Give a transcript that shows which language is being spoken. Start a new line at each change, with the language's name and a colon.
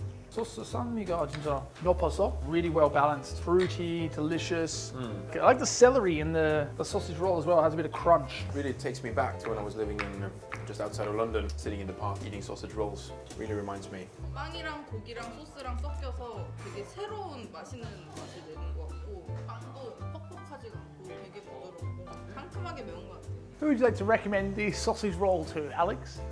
Korean: 소스 산미가 진짜 높아서
English: really well balanced, fruity, delicious. I like the celery in the sausage roll as well. It has a bit of crunch. Really takes me back to when I was living in just outside of London, sitting in the park eating sausage rolls. Really reminds me.
Korean: 빵이랑 고기랑 소스랑 섞여서 되게 새로운 맛있는 맛이 되는 것 같고 빵도 퍽퍽하지 않고 되게 부드럽고 매운 것 같아요.
English: Who would you like to recommend the sausage roll to, Alex?